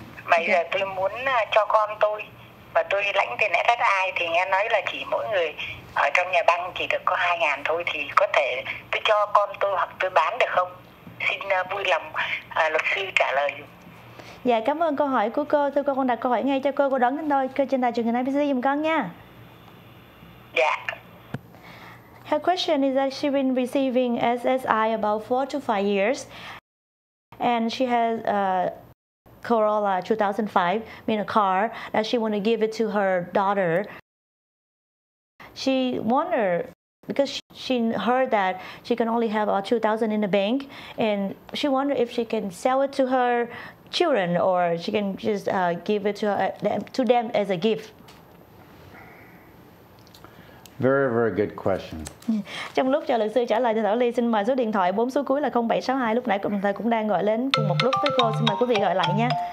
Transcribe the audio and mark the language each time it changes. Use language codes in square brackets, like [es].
[vi] Bây giờ tôi muốn cho con tôi và tôi lãnh tiền SSI thì nghe nói là chỉ mỗi người ở trong nhà băng chỉ được có 2.000 thôi, thì có thể tôi cho con tôi hoặc tôi bán được không? Xin vui lòng luật sư trả lời. Dạ, cảm ơn câu hỏi của cô. Thưa cô, con đặt câu hỏi ngay cho cô đón đến tôi trên đài truyền hình ABC giùm con nha. Dạ. [en] Her question is that she's been receiving SSI about 4 to 5 years, and she has Corolla 2005, meaning a car that she want to give it to her daughter. She wondered, because she heard that she can only have about 2,000 in the bank, and she wondered if she can sell it to her children or she can just give it to them as a gift. Very, very good question. [vi] Trong lúc chờ luật sư trả lời cho Thảo Ly, xin mời số điện thoại 4 số cuối là 0762. Lúc nãy đồng thời cũng đang gọi lên cùng một lúc với cô. Xin mời quý vị gọi lại nha.